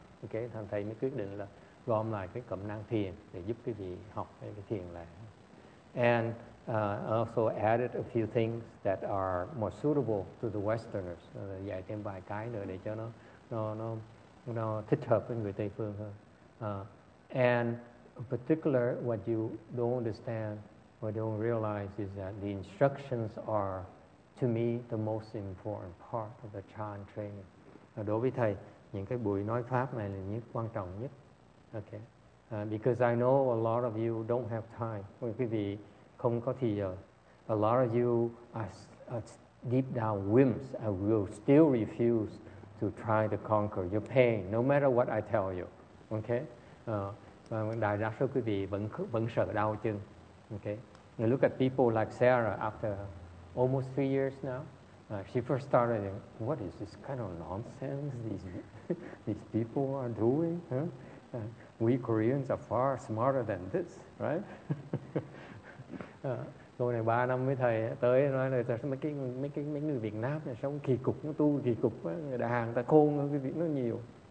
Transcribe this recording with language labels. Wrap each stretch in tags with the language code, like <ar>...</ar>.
<vi>Okay, thành thầy mới quyết định là gom lại cái cẩm nang thiền để giúp quý vị học cái thiền lại.</vi> <en>And also added a few things that are more suitable to the Westerners.</en> <vi>Dạy thêm vài cái nữa để cho nó thích hợp với người Tây phương hơn.</vi> <en>And in particular, what you don't understand or don't realize is that the instructions are, to me, the most important part of the chan training.</en> <vi>Đối với thầy, những cái buổi nói pháp này là những quan trọng nhất.</vi> <en>Okay, because I know a lot of you don't have time.</en> <vi>Quý vị không có thời giờ.</vi> <en>A lot of you are deep down wimps and will still refuse to try to conquer your pain, no matter what I tell you.</en> <vi>Okay, đại đa số quý vị vẫn sợ đau chân.</vi> <en>Okay, you look at people like Sarah after almost 3 years now. She first started, what is this kind of nonsense these people are doing? Huh? We Koreans are far smarter than this, right?</en> <vi>Cô này 3 năm với thầy tới nói là mấy người Việt Nam này sống kỳ cục, nó tu kỳ cục, người đại hàng ta khôn hơn cái việc nó nhiều.</vi>